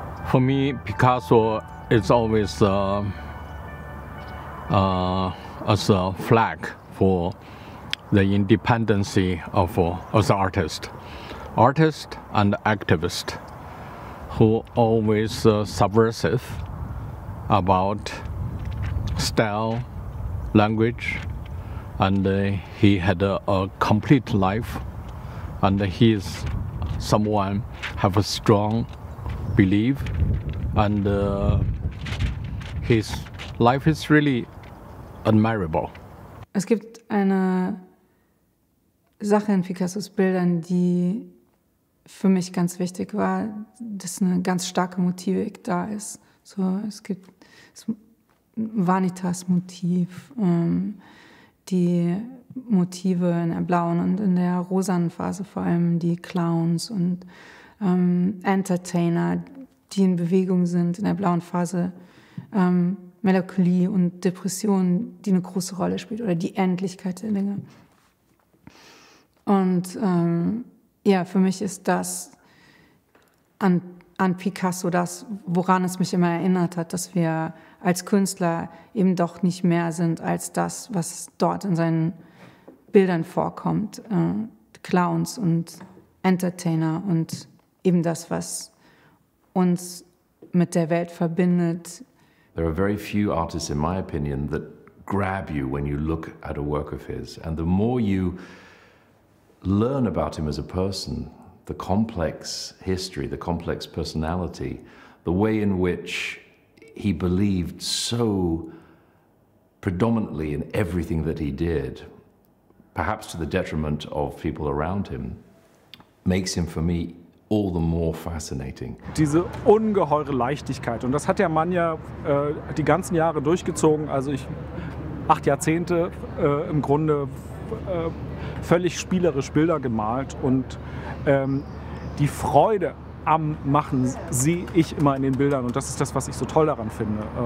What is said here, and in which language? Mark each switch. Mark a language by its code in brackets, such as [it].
[en] For me, Picasso is always as a flag for the independence of as an artist and activist who always subversive about style, language, and he had a complete life, and he is someone have a strong belief, and his life is really admirable. [de] Es gibt eine Sache in Picassos Bildern, die für mich ganz wichtig war, dass eine ganz starke Motivik da ist. So, es gibt das Vanitas-Motiv, die Motive in der blauen und in der rosanen Phase, vor allem die Clowns und Entertainer, die in Bewegung sind in der blauen Phase, Melancholie und Depression, die eine große Rolle spielt, oder die Endlichkeit der Dinge. Und ja, für mich ist das an Picasso das, woran es mich immer erinnert hat, dass wir als Künstler eben doch nicht mehr sind als das, was dort in seinen Bildern vorkommt. Clowns und Entertainer und eben das, was uns mit der Welt verbindet. [en] There are very few artists, in my opinion, that grab you when you look at a work of his. And the more you learn about him as a person, the complex history, the complex personality, the way in which he believed so predominantly in everything that he did, perhaps to the detriment of people around him, makes him for me all the more fascinating. [de] Diese ungeheure Leichtigkeit, und das hat der Mann ja die ganzen Jahre durchgezogen, also ich 8 Jahrzehnte im Grunde völlig spielerisch Bilder gemalt, und die Freude am Machen sehe ich immer in den Bildern, und das ist das, was ich so toll daran finde.